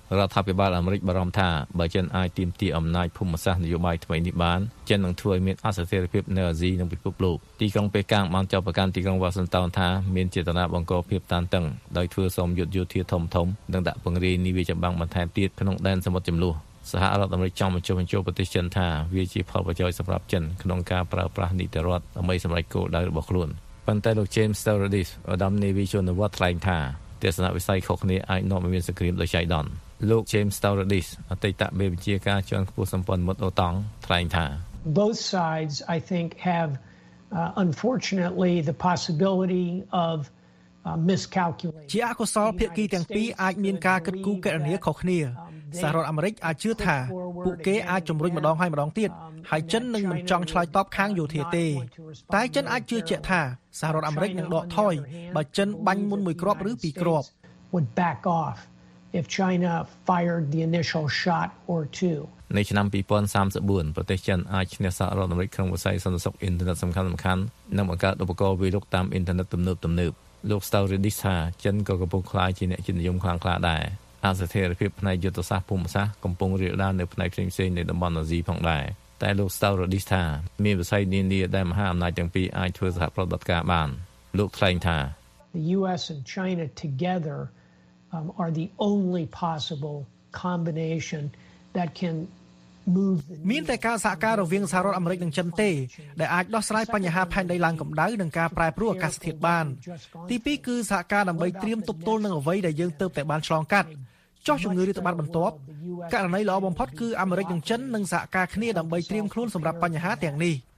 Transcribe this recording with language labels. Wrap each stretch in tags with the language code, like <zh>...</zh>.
<km>រដ្ឋាភិបាលអាមេរិកបារម្ភថាបើចិនអាចទាមទារអំណាចភូមិសាស្ត្រនយោបាយថ្មីនេះបានចិននឹងធ្វើឲ្យមានអស្ថិរភាពនៅអាស៊ីនិងពិភពលោកទីក្រុងប៉េកាំងបានចោទប្រកាន់ទីក្រុងវ៉ាស៊ីនតោនថាមានចេតនាបង្កភាពតានតឹងដោយធ្វើសមយុទ្ធយោធាធំធំនិងដាក់ពង្រាយនាវាចម្បាំងបន្ថែមទៀតក្នុងដែនសមុទ្រចំនួនសហរដ្ឋអាមេរិកចង់បញ្ចុះបញ្ចូលប្រទេសចិនថាវាជាផលប្រយោជន៍សម្រាប់ចិនក្នុងការប្រើប្រាស់នីតិរដ្ឋដើម្បីសម្រេចគោលដៅរបស់ខ្លួន ប៉ុន្តែលោក James Sturdis ឧត្តមនាវីជួរនាវាថ្លែងថាទស្សនវិស័យខុសគ្នាអាចនាំឲ្យមានសង្គ្រាមដោយចៃដន្យលោក James Sturdis អតីតមេបញ្ជាការជាន់ខ្ពស់សម្ព័ន្ធមិត្តអូតង់ថ្លែងថា</km> <en>Both sides I think have unfortunately the possibility ofmiscalculation</en> <km>ជាអកុសលភាគីទាំងពីរអាចមានការគិតគូរករណីខុសគ្នាសហរដ្ឋអាមេរិកអាចជឿថាពួកគេអាចជំរុញម្ដងហើយម្ដងទៀតហើយចិននឹងមិនចង់ឆ្លើយតបខាងយោធាទេតែចិនអាចជឿជាក់ថាសហរដ្ឋអាមេរិកនឹងដកថយបើចិនបាញ់មុនមួយគ្រាប់ឬពីរគ្រាប់</km> <en>would back off if China fired the initial shot or two</en> <km>នៅឆ្នាំ2034ប្រទេសចិនអាចឈ្នះសហរដ្ឋអាមេរិកក្នុងវិស័យសន្តិសុខអ៊ីនធឺណិតសំខាន់ៗនិងបង្កើតឧបករណ៍វាយលុកតាមអ៊ីនធឺណិតទំនើបទំនើបលោកស្តៅរីឌីសាចិនក៏កំពុងខ្លាយជាអ្នកជំនាញខ្លាំងក្លាដែរអាស្ថិរភាពផ្នែកយុទ្ធសាស្ត្រភូមិសាស្ត្រកំពុងរីកដាលនៅផ្នែកផ្សេងៗនៃតំបន់អាស៊ីផងដែរតែលោកស្តៅរីឌីសាមានវិស័យនានាដែលមហាអំណាចទាំងពីរអាចធ្វើសហប្រតិបត្តិការបានលោកថ្លែងថា</km> <en>The US and China together are the only possible combination that can</en> <km>មានតែការសហការរវាងសហរដ្ឋអាមេរិកនិងចិនទេដែលអាចដោះស្រាយបញ្ហាផែនដីឡើងកម្ដៅនិងការប្រែប្រួលអាកាសធាតុបានទី2គឺសហការដើម្បីត្រៀមទប់ទល់នឹងអ្វីដែលយើងទើបតែបានឆ្លងកាត់ចោះជំងឺរាតត្បាតបន្ទាប់ករណីល្អបំផុតគឺអាមេរិកនិងចិននឹងសហការគ្នាដើម្បីត្រៀមខ្លួនសម្រាប់បញ្ហាទាំងនេះ</km>